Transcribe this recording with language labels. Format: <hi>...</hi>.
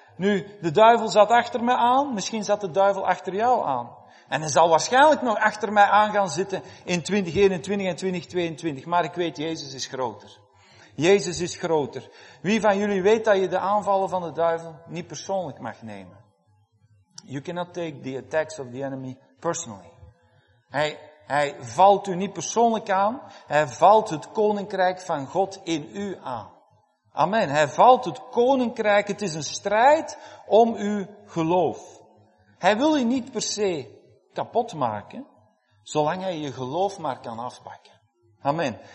<nl>Nu, de duivel zat achter me aan, misschien zat de duivel achter jou aan. En hij zal waarschijnlijk nog achter mij aan gaan zitten in 2021 en 2022. Maar ik weet, Jezus is groter. Jezus is groter. Wie van jullie weet dat je de aanvallen van de duivel niet persoonlijk mag nemen?</nl> <en>You cannot take the attacks of the enemy personally.</en> <nl>Hij valt u niet persoonlijk aan. Hij valt het koninkrijk van God in u aan. Amen. Hij valt het koninkrijk. Het is een strijd om uw geloof. Hij wil u niet per se kapot maken, zolang hij je geloof maar kan afpakken. Amen.</nl>